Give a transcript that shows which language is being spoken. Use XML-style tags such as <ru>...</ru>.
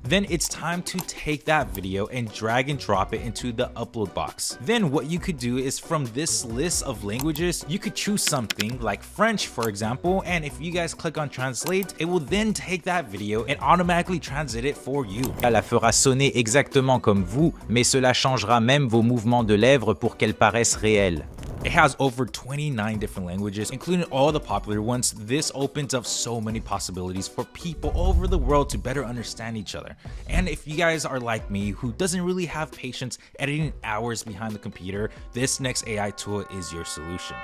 <en>Then it's time to take that video and drag and drop it into the upload box. Then what you could do is, from this list of languages, you could choose something like French, for example, and if you guys click on translate, it will then take that video and automatically translate it for you.</en> <fr>Elle fera sonner exactement comme vous, mais cela changera même vos mouvements de lèvres pour qu'elles paraissent réelles.</fr> <en>It has over 29 different languages, including all the popular ones. This opens up so many possibilities for people all over the world to better understand each other. And if you guys are like me, who doesn't really have patience editing hours behind the computer, this next AI tool is your solution.</en>